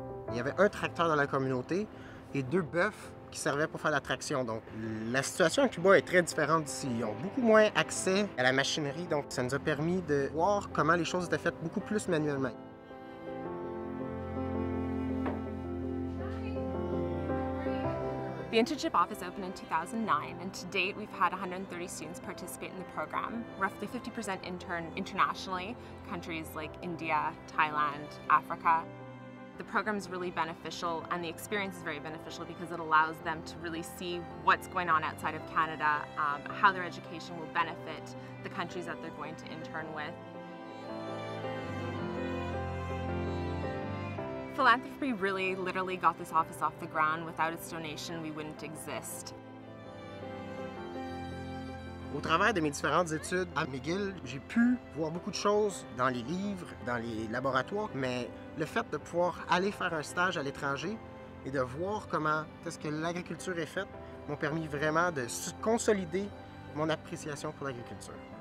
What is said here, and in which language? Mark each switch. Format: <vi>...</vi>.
<fr>Il y avait un tracteur dans la communauté et 2 bœufs qui servaient pour faire la traction. Donc la situation à Cuba est très différente d'ici. Ils ont beaucoup moins accès à la machinerie, donc ça nous a permis de voir comment les choses étaient faites beaucoup plus manuellement.</fr> <en>The internship office opened in 2009, and to date we've had 130 students participate in the program, roughly 50% intern internationally, countries like India, Thailand, Africa. The program is really beneficial, and the experience is very beneficial because it allows them to really see what's going on outside of Canada, how their education will benefit the countries that they're going to intern with. Philanthropy really literally got this office off the ground. Without its donation, we wouldn't exist.</en> <fr>Au travers de mes différentes études à McGill, j'ai pu voir beaucoup de choses dans les livres, dans les laboratoires, mais le fait de pouvoir aller faire un stage à l'étranger et de voir comment est-ce que l'agriculture est faite m'ont permis vraiment de consolider mon appréciation pour l'agriculture.</fr>